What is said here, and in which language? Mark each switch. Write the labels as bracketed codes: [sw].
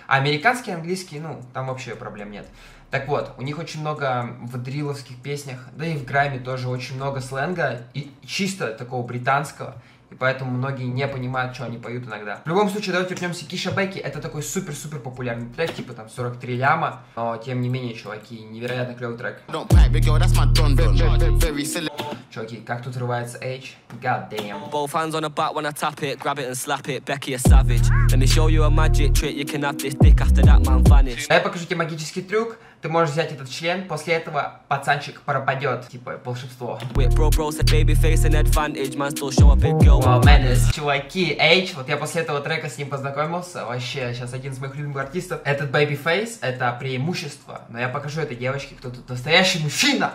[ru] А американский английский, ну, там вообще проблем нет. Так вот, у них очень много в дриловских песнях, да и в грайме тоже очень много сленга, и чисто такого британского. И поэтому многие не понимают, что они поют иногда. В любом случае, давайте вернемся к Keisha Becky. Это такой супер-супер популярный трек, типа там 43 ляма. Но тем не менее, чуваки, невероятно клевый трек. Чуваки, как тут рывается H? [en] God damn. Both hands on the back when I tap it, grab it and slap it. Becky a savage. Let me show you a magic trick. You can have this dick after that man vanished. [ru] Я покажу тебе магический трюк. Ты можешь взять этот член, после этого пацанчик пропадет, типа волшебство. Чуваки, H, вот я после этого трека с ним познакомился, вообще, сейчас один из моих любимых артистов. Этот babyface, это преимущество, но я покажу этой девочке, кто тут настоящий мужчина.